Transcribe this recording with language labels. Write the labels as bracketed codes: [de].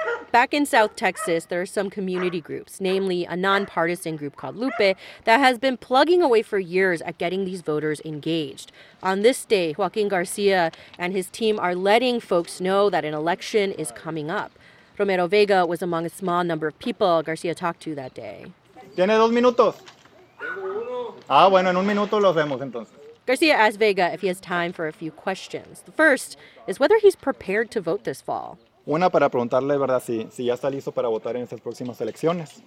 [en] Back in South Texas, there are some community groups, namely a nonpartisan group called Lupe, that has been plugging away for years at getting these voters engaged. On this day, Joaquin Garcia and his team are letting folks know that an election is coming up. Romero Vega was among a small number of people Garcia talked to that day. [es] Tiene dos minutos. Ah, bueno, en un minuto lo vemos entonces. [en] Garcia asked Vega if he has time for a few questions. The first is whether he's prepared to vote this fall. [es] Una para preguntarle, ¿verdad? Si ya está listo para votar en estas próximas elecciones.